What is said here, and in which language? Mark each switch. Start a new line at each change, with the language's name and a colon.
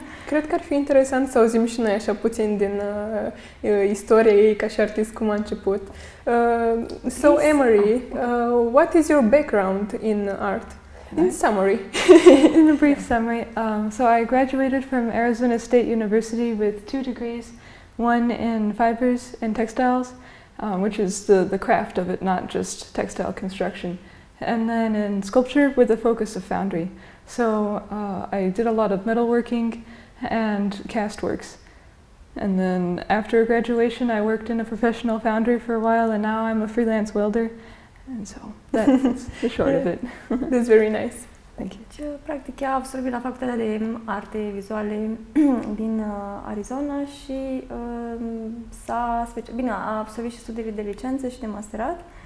Romanian: Cred că ar fi interesant să auzim și noi așa puțin din istoria ei ca și artist, cum a început.
English: So, Emery, what is your background in art? In summary. In a brief summary. So, I graduated from Arizona State University with 2 degrees, one in fibers and textiles, which is the craft of it, not just textile construction. And then in sculpture with a focus of foundry. So I did a lot of metalworking and cast works. And then after graduation, I worked in a professional foundry for a while, and now I'm a freelance welder. And so that's the short of it. That's very nice. Thank you.
Romanian: Deci, practic, a absolvit la Facultatea de Arte Vizuale din Arizona și a absolvit și studiile de licență și de masterat.